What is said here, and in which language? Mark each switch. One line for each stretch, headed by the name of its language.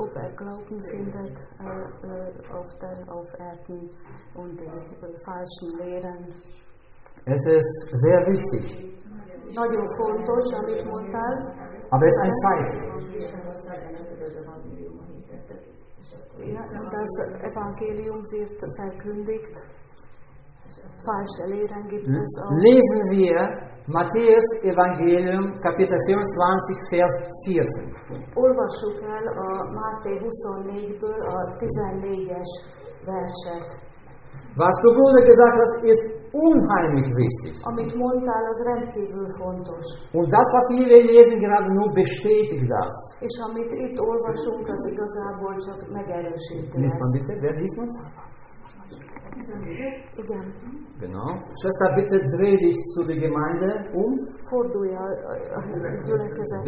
German: Oberglauben findet auf Erden und den falschen Lehren. Es ist sehr wichtig.
Hungarian: Nagyon fontos, amit mondtál.
German: Aber es ist ein Zeichen. Ja, das Evangelium wird verkündigt. Falsche Lehren gibt es auch. Lesen wir Matthäus Evangelium Kapitel 24 Vers 14.
Hungarian: Olvassuk el a Máté 24-ből a 14-es verset.
German: Was du Bruder gesagt hast, ist unheimlich wichtig.
Hungarian: Amit mondtál, az rendkívül fontos.
German: Und das, was wir lesen, gerade nur bestätigt das.
Hungarian: És amit itt olvasunk, az igazából csak megerősíti.
German: Lies mal bitte, wer liest es?
Hungarian: Igen.
German: Genau. Schwester, bitte dreh dich zu der Gemeinde um.
Hungarian: Fordulj a gyülekezetbe.